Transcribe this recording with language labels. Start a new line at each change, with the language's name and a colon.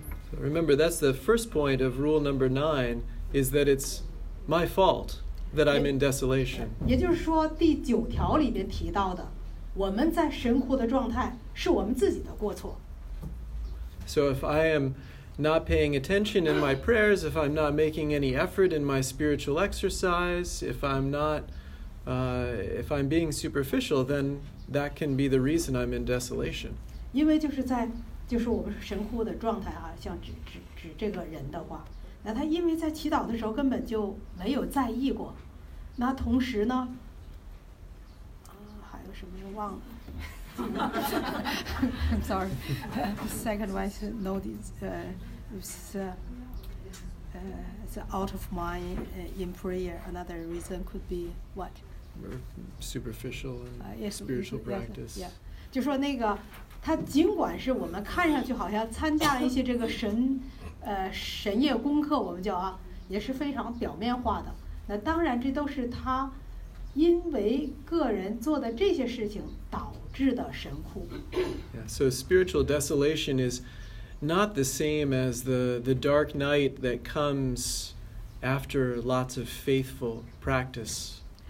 English: So remember, that's the first point of rule number 9, is that it's my fault that I'm in desolation.
Chinese: 也就是说第九条里面提到的, 我们在神哭的状态, 是我们自己的过错。
English: So if I am not paying attention in my prayers, if I'm not making any effort in my spiritual exercise, if I'm being superficial, then that can be the reason I'm in desolation.
Chinese: 因为就是我们神哭的状态啊, 像指这个人的话, 那他因为在祈祷的时候根本就没有在意过, 那同时呢, 还有什么又忘了,
English: I'm sorry. Second one is it's out of mind in prayer. Another reason could be what? Superficial and spiritual practice. Yeah.
Chinese: 就说那个他尽管是我们看上去好像参加了一些这个神夜功课，我们叫啊，也是非常表面化的。那当然，这都是他。因为个人做的这些事情导致的神哭。
English: Yeah, so spiritual desolation is not the same as the dark night that comes after lots of faithful practice.